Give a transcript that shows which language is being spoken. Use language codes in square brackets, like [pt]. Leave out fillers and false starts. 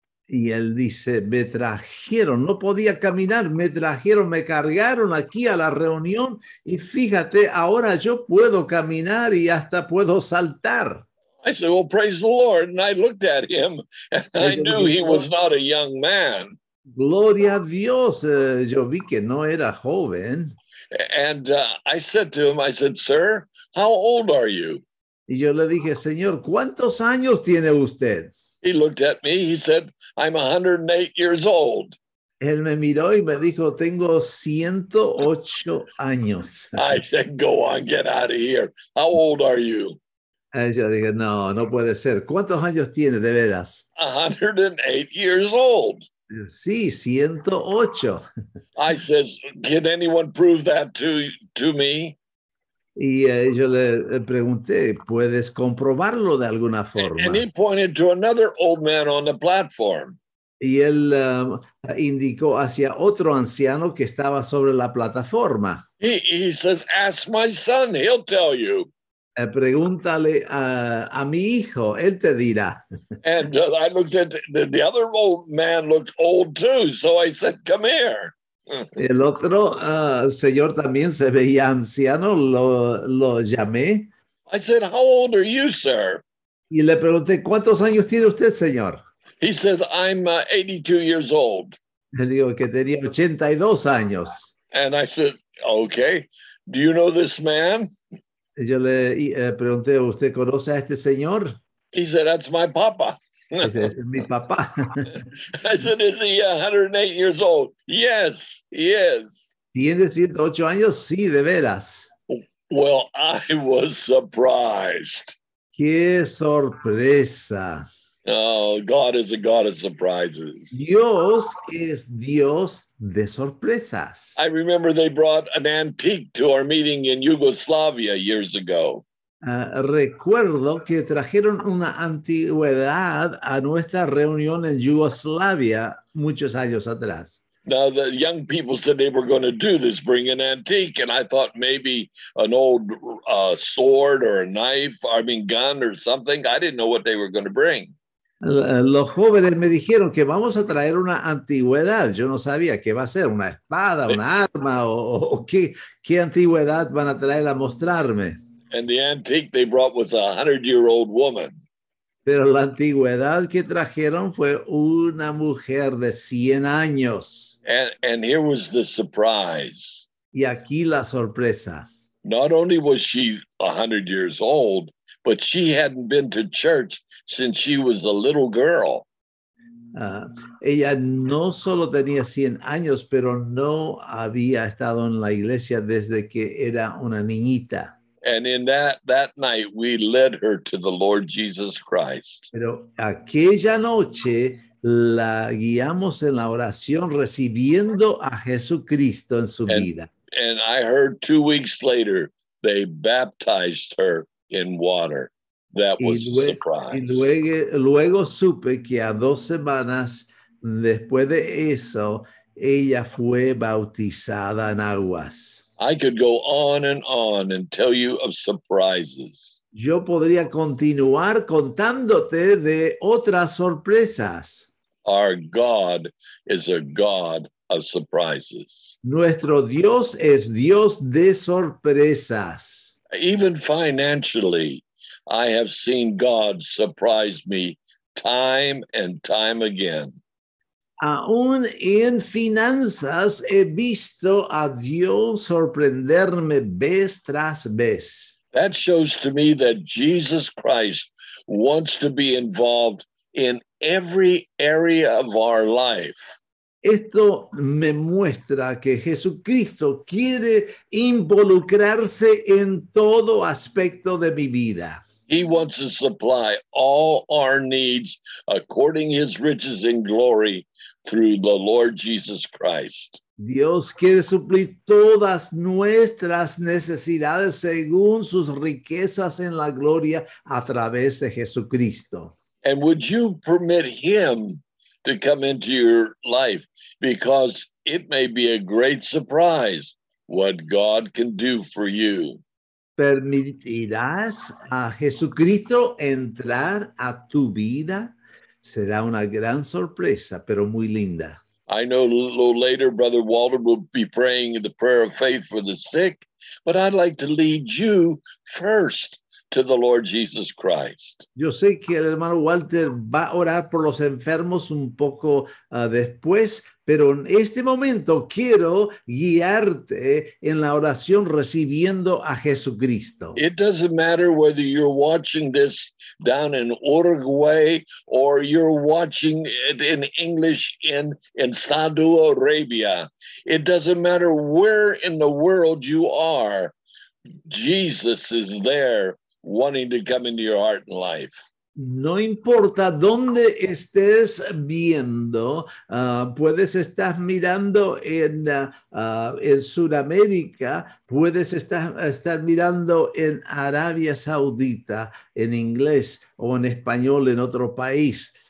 [es] Y él dice, me trajeron, no podía caminar, me trajeron, me cargaron aquí a la reunión y fíjate, ahora yo puedo caminar y hasta puedo saltar. [en] I said, "Well, praise the Lord," and I looked at him and I knew he was not a young man. [es] Gloria a Dios, yo vi que no era joven. [en] And I said to him, I said, "Sir, how old are you?" [es] Y yo le dije, "Señor, ¿cuántos años tiene usted?" [en] He looked at me, he said, "I'm 108 years old." [es] Él me miró y me dijo, "Tengo 108 años." [en] I said, "Go on, get out of here. How old are you?" [es] Y yo dije, "No, no puede ser. ¿Cuántos años tiene de veras?" [en] 108 years old. [es] Sí, 108. [en] I says, "Can anyone prove that to me?" [es] Y yo le pregunté, ¿puedes comprobarlo de alguna forma? [en] And he pointed to another old man on the platform. [es] Y él indicó hacia otro anciano que estaba sobre la plataforma. [en] He says, "Ask my son, he'll tell you." [es] Pregúntale a mi hijo, él te dirá. [en] And I looked at the other old man looked old too, so I said, "Come here." [es] El otro señor también se veía anciano, lo llamé. [en] I said, "How old are you, sir?" [es] Y le pregunté, "¿Cuántos años tiene usted, señor?" [en] He said, "I'm 82 years old." [es] Le digo que tenía 82 años. [en] And I said, "Okay, do you know this man?" [es] Y yo le pregunté, "¿Usted conoce a este señor?" [en] He said, "That's my papa." [es] Es mi papá. [en] I said, "Is he 108 years old?" "Yes, he is." [es] ¿Tiene 108 años? Sí, de veras. [en] Well, I was surprised. [es] ¡Qué sorpresa! [en] Oh, God is a God of surprises. [es] Dios es Dios de sorpresas. [en] I remember they brought an antique to our meeting in Yugoslavia years ago. [es] Recuerdo que trajeron una antigüedad a nuestra reunión en Yugoslavia muchos años atrás. [en] Now the young people said they were going to do this, bring an antique, and I thought maybe an old sword or a knife, I mean gun or something. I didn't know what they were going to bring. [es] Los jóvenes me dijeron que vamos a traer una antigüedad. Yo no sabía qué va a ser, una espada, una arma o qué antigüedad van a traer a mostrarme. [en] And the antique they brought was a 100-year-old woman. [es] Pero la antigüedad que trajeron fue una mujer de 100 años. [en] And here was the surprise. [es] Y aquí la sorpresa. [en] Not only was she 100 years old, but she hadn't been to church since she was a little girl. [es] Ella no solo tenía 100 años, pero no había estado en la iglesia desde que era una niñita. [en] And in that night, we led her to the Lord Jesus Christ. [es] Pero aquella noche, la guiamos en la oración recibiendo a Jesucristo en su vida. [en] And I heard 2 weeks later, they baptized her in water. That was a surprise. [es] Y luego supe que a 2 semanas después de eso, ella fue bautizada en aguas. [en] I could go on and on and tell you of surprises. [es] Yo podría continuar contándote de otras sorpresas. [en] Our God is a God of surprises. [es] Nuestro Dios es Dios de sorpresas. [en] Even financially, I have seen God surprise me time and time again. [es] Aún en finanzas he visto a Dios sorprenderme vez tras vez. [en] That shows to me that Jesus Christ wants to be involved in every area of our life. [es] Esto me muestra que Jesucristo quiere involucrarse en todo aspecto de mi vida. [en] He wants to supply all our needs according to his riches and glory through the Lord Jesus Christ. [es] Dios quiere suplir todas nuestras necesidades según sus riquezas en la gloria a través de Jesucristo. [en] And would you permit him to come into your life? Because it may be a great surprise what God can do for you. [es] ¿Permitirás a Jesucristo entrar a tu vida? Será una gran sorpresa, pero muy linda. [en] I know a little later Brother Walter will be praying the prayer of faith for the sick, but I'd like to lead you first to the Lord Jesus Christ. [es] Yo sé que el hermano Walter va a orar por los enfermos un poco después, pero en este momento quiero guiarte en la oración recibiendo a Jesucristo. [en] It doesn't matter whether you're watching this down in Uruguay or you're watching it in English in Saudi Arabia. It doesn't matter where in the world you are. Jesus is there wanting to come into your heart and life. [es] No importa dónde estés viendo, puedes estar mirando en Sudamérica, puedes estar mirando en Arabia Saudita, en inglés o en español en otro país.